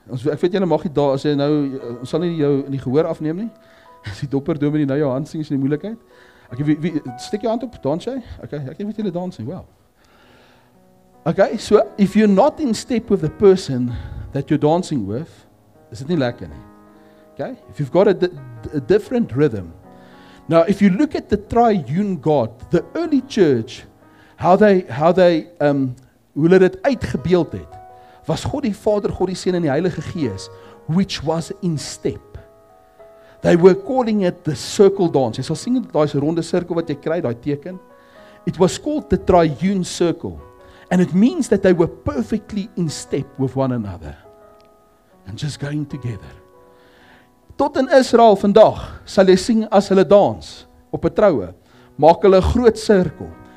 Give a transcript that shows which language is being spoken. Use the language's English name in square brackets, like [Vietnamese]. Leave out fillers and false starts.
[Afrikaans] Ek weet julle mag nie daar, as jy nou, ons sal nie jou in die gehoor afneem nie, as die dopper dominee nou jou hand sien, is nie moeilikheid. Ek, wie, stik jou hand op, dans jy? Okay, ek weet julle dans nie, wow. [English] Okay, so if you're not in step with the person that you're dancing with, is it not lekker nie? Okay, if you've got a different rhythm. Now, if you look at the triune God, the early church, [Afrikaans] hoe hulle dit uitgebeeld het, [English] was [Afrikaans] God die Vader, God die Seun en die Heilige Gees, [English] which was in step. They were calling it the circle dance. [Afrikaans] Jy sal sien dat daai ronde sirkel wat jy kry, daai teken. [English] It was called the triune circle. And it means that they were perfectly in step with one another. And just going together. [Afrikaans] Tot in Israel vandag sal jy sien as hulle dans op 'n troue, maak hulle 'n groot sirkel.